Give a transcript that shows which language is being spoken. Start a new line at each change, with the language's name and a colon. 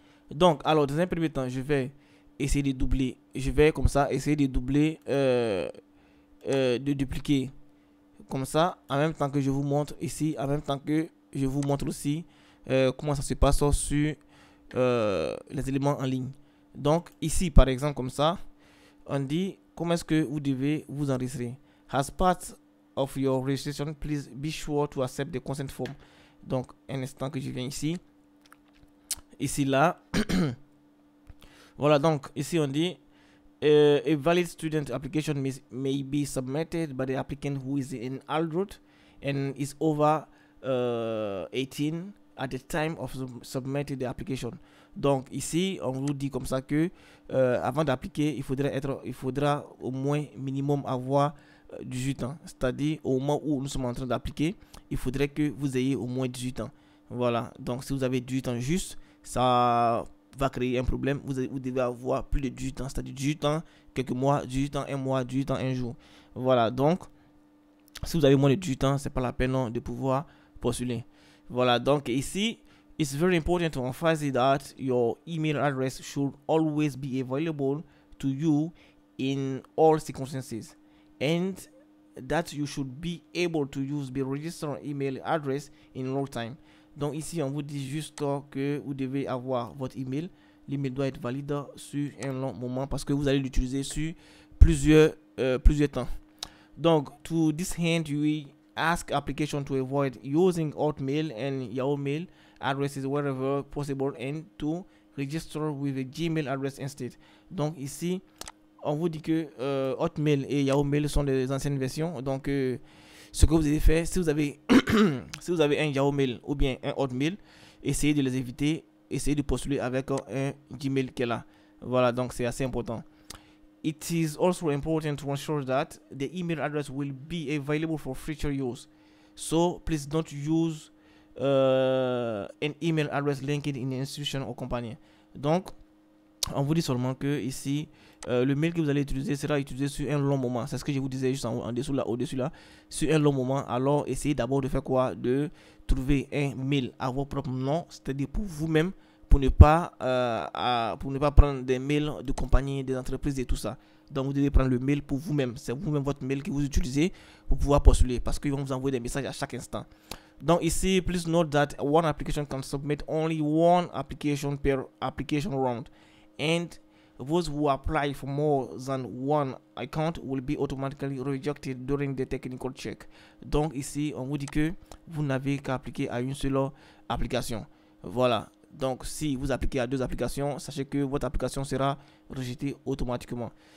French: Donc, alors dans un premier temps, je vais essayer de doubler. Je vais comme ça essayer de doubler, de dupliquer. Comme ça, en même temps que je vous montre ici, en même temps que je vous montre aussi. Comment ça se passe sur les éléments en ligne. Donc ici, par exemple, comme ça, on dit comment est-ce que vous devez vous enregistrer.
English: As part of your registration, please be sure to accept the consent form.
French: Donc, un instant que je viens ici. Ici, là. Voilà, donc ici, on dit
English: a valid student application may be submitted by the applicant who is in adult and is over 18. At the time of submitting the application.
French: Donc ici, on vous dit comme ça que avant d'appliquer, il faudra au moins minimum avoir 18 ans. C'est-à-dire au moment où nous sommes en train d'appliquer, il faudrait que vous ayez au moins 18 ans. Voilà. Donc si vous avez 18 ans juste, ça va créer un problème. Vous devez avoir plus de 18 ans. C'est-à-dire 18 ans, quelques mois, 18 ans, un mois, 18 ans, un jour. Voilà. Donc si vous avez moins de 18 ans, c'est pas la peine non, de pouvoir postuler. Voilà, donc ici,
English: it's very important to emphasize that your email address should always be available to you in all circumstances and that you should be able to use the registered email address in real time.
French: Donc ici, on vous dit juste que vous devez avoir votre email. L'email doit être valide sur un long moment parce que vous allez l'utiliser sur plusieurs temps. Donc,
English: to this end, ask application to avoid using Hotmail and Yahoo mail addresses wherever possible and to register with a Gmail address instead.
French: Donc ici, on vous dit que Hotmail et Yahoo mail sont les anciennes versions. Donc ce que vous avez fait, si vous avez si vous avez un Yahoo mail ou bien un Hotmail, essayez de les éviter, essayez de postuler avec un Gmail qui est là. Voilà, donc c'est assez important.
English: It is also important to ensure that the email address will be available for future use. So, please don't use an email address linked in an institution or company.
French: Donc, On vous dit seulement que ici, le mail que vous allez utiliser sera utilisé sur un long moment. C'est ce que je vous disais juste en dessous là, au-dessus là. Sur un long moment, alors essayez d'abord de faire quoi? De trouver un mail à vos propres noms, c'est-à-dire pour vous-même, pour ne pas prendre des mails de compagnies, des entreprises et tout ça. Donc vous devez prendre le mail pour vous-même. C'est vous-même votre mail que vous utilisez pour pouvoir postuler parce qu'ils vont vous envoyer des messages à chaque instant. Donc ici,
English: please note that one application can submit only one application per application round. And those who apply for more than one account will be automatically rejected during the technical check.
French: Donc ici, on vous dit que vous n'avez qu'à appliquer à une seule application. Voilà. Donc si vous appliquez à deux applications, sachez que votre application sera rejetée automatiquement.